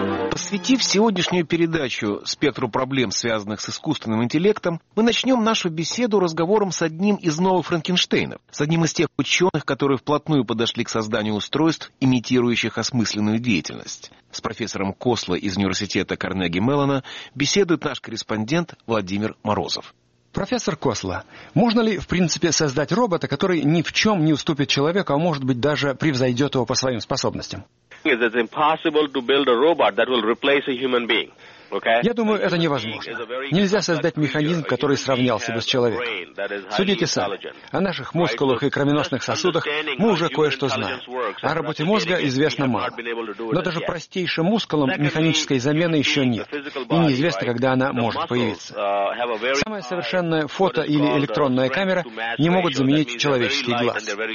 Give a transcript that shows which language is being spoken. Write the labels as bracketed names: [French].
[Russian] Посвятив сегодняшнюю передачу спектру проблем, связанных с искусственным интеллектом, мы начнем нашу беседу разговором с одним из новых Франкенштейнов, с одним из тех ученых, которые вплотную подошли к созданию устройств, имитирующих осмысленную деятельность. С профессором Косла из университета Карнеги-Меллона беседует наш корреспондент Владимир Морозов. Профессор Косла, можно ли, в принципе, создать робота, который ни в чем не уступит человеку, а может быть даже превзойдет его по своим способностям? [English] It's impossible to build a robot that will replace a human being. [Russian] Я думаю, это невозможно. Нельзя создать механизм, который сравнялся бы с человеком. Судите сами. О наших мускулах и кровеносных сосудах мы уже кое-что знаем. О работе мозга известно мало. Но даже простейшим мускулам механической замены еще нет. И неизвестно, когда она может появиться. Самая совершенная фото- или электронная камера не могут заменить человеческий глаз.